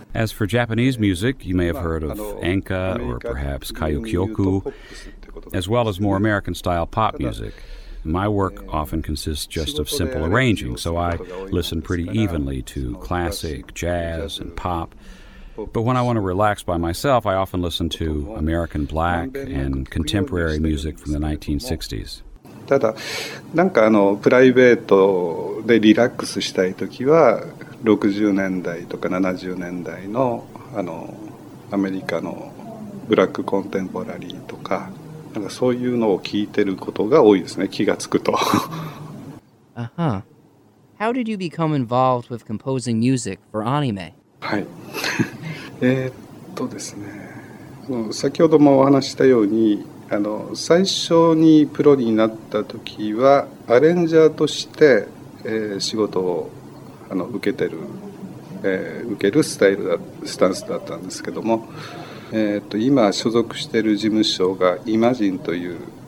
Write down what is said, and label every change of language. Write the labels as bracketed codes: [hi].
[en] As for Japanese music, you may have heard of enka or perhaps kayukyoku, as well as more American style pop music. My work often consists just of simple arranging, so I listen pretty evenly to classic, jazz, and pop. But when I want to relax by myself, I often listen to American black and contemporary music from the 1960s. [ja] ただ、なんかプライベートでリラックスしたいときは、60年代とか70年代のアメリカのブラックコンテンポラリーとか、なんかそういうのを聞いてることが多いですね、気がつくと。 [en] Uh-huh. How did you become involved with composing music for anime? [ja] はい。ですね、先ほどもお話したように最初にプロになった時はアレンジャーとして、仕事を受けてる、受けるスタイルだスタンスだったんですけども、今所属している事務所がイマジンという